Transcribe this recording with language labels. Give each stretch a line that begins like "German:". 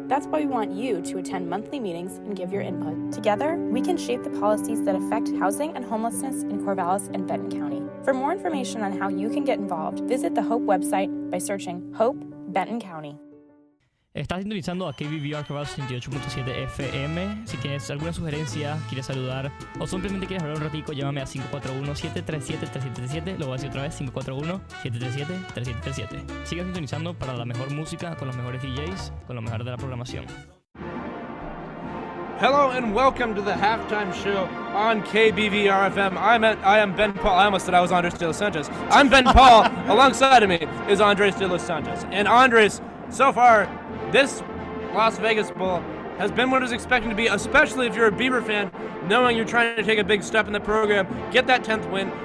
English: That's why we want you to attend monthly meetings and give your input. Together, we can shape the policies that affect housing and homelessness in Corvallis and Benton County. For more information on how you can get involved, visit the HOPE website by searching HOPE Benton County.
Spanish: Estás sintonizando a KBVR Corvallis 88.7 FM. Si tienes alguna sugerencia, quieres saludar o simplemente quieres hablar un ratico, llámame a 541-737-3737. Lo voy a decir otra vez, 541-737-3737. Sigue sintonizando para la mejor música, con los mejores DJs, con lo mejor de la programación.
English: Hello and welcome to the Halftime Show on KBVR-FM. I am Ben Pahl. I almost said I was Andres de los Santos. I'm Ben Pahl. Alongside of me is Andres de los Santos. And Andres, so far, this Las Vegas Bowl has been what I was expecting to be, especially if you're a Beaver fan, knowing you're trying to take a big step in the program, get that 10th win.